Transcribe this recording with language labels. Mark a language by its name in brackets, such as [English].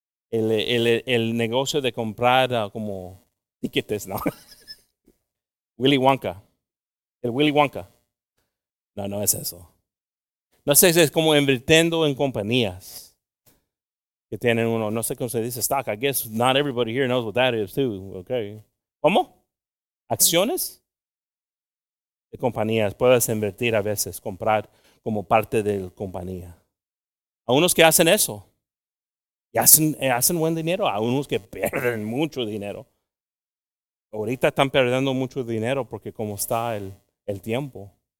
[Spanish] El negocio de comprar como tickets, ¿no? Willy Wonka. El Willy Wonka. No es eso. No sé, es como invirtiendo en compañías que tienen uno. No sé cómo se dice stock. [English] I guess not everybody here knows what that is too. [Spanish] Okay. ¿Cómo? ¿Acciones? De compañías. Puedes invertir a veces, comprar como parte de la compañía. A unos que hacen eso. Y hacen buen dinero. A unos que pierden mucho dinero. Ahorita están perdiendo mucho dinero porque como está el tiempo.